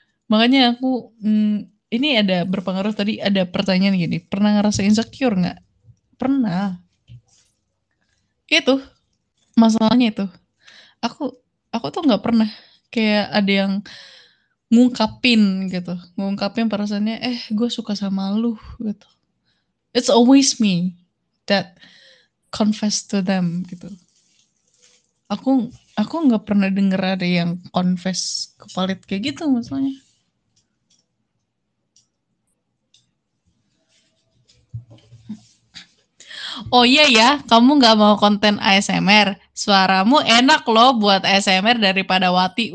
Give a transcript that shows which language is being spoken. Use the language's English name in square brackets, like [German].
[Indonesian] Makanya aku ini ada berpengaruh tadi, ada pertanyaan gini, pernah ngerasa insecure nggak? Pernah. Itu masalahnya, itu aku tuh nggak pernah kayak ada yang ngungkapin gitu, ngungkapin perasaannya, gue suka sama lu gitu. [English] It's always me that confess to them gitu. [Indonesian] Aku nggak pernah denger ada yang confess ke Palit kayak gitu misalnya. Oh iya ya, kamu nggak mau konten ASMR? Suaramu enak loh buat ASMR daripada Wati.